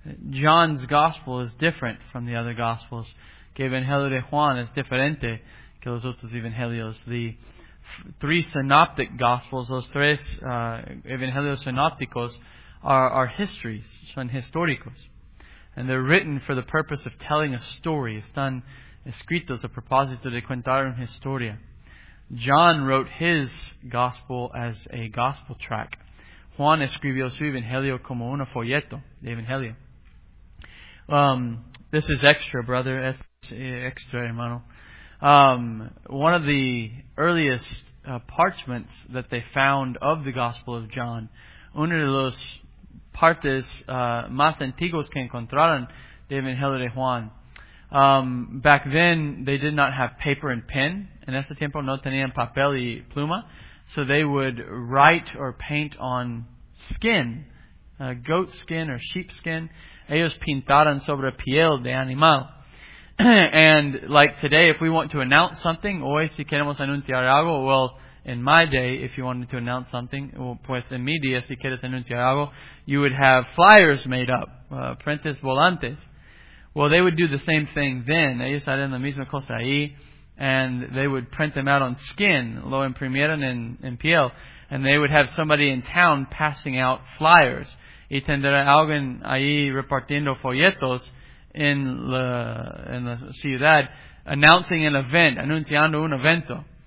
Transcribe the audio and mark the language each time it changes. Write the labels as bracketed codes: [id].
[en] John's gospel is different from the other gospels. [es] Que el Evangelio de Juan es diferente que los otros evangelios. [en] The three synoptic gospels, those [es] tres evangelios sinópticos, [en] are histories, [es] son históricos. [en] And they're written for the purpose of telling a story. [es] Están escritos a propósito de contar una historia. [en] John wrote his gospel as a gospel track. [es] Juan escribió su evangelio como un folleto de evangelio. [en] This is extra, brother. [es] Es extra, hermano. [en] One of the earliest parchments that they found of the Gospel of John, [es] uno de los partes más antiguos que encontraron de Evangelio de Juan. [en] Back then, they did not have paper and pen. [es] En ese tiempo, no tenían papel y pluma. [en] So they would write or paint on skin, goat skin or sheep skin. [es] Ellos pintaron sobre piel de animal. [en] And like today, if we want to announce something, [es] hoy si queremos anunciar algo, [en] well, in my day, if you wanted to announce something, pues en mi día, si quieres anunciar algo, you would have flyers made up, [es] frentes volantes. [en] Well, they would do the same thing then. [es] Ellos harían la misma cosa ahí. [en] and they would print them out on skin, [es] lo imprimieron en piel, [en] and they would have somebody in town passing out flyers. [es] Y tendrá alguien ahí repartiendo folletos en la ciudad, [en] announcing an event, [es] anunciando un evento.